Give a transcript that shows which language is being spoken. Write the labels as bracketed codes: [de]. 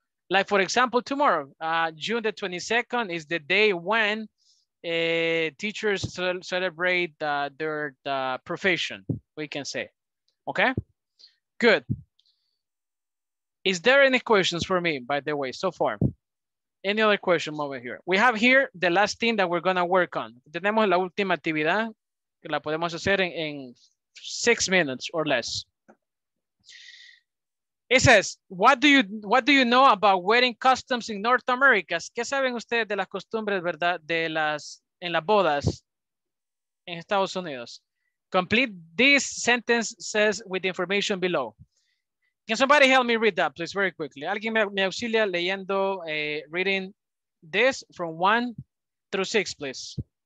[en] Like, for example, tomorrow, June the 22nd is the day when teachers celebrate their profession, we can say. Okay, good. Is there any questions for me, by the way, so far? Any other question over here? We have here the last thing that we're gonna work on. [es] Tenemos la última actividad, que la podemos hacer en [en] 6 minutes or less. It says, what do you know about wedding customs in North America? [es] ¿Qué saben ustedes de las costumbres, verdad, de las en las bodas en Estados Unidos? [en] Complete this sentence says with the information below. Can somebody help me read that, please, very quickly? [es] Alguien me auxilia leyendo, [en] reading this from 1 through 6, please.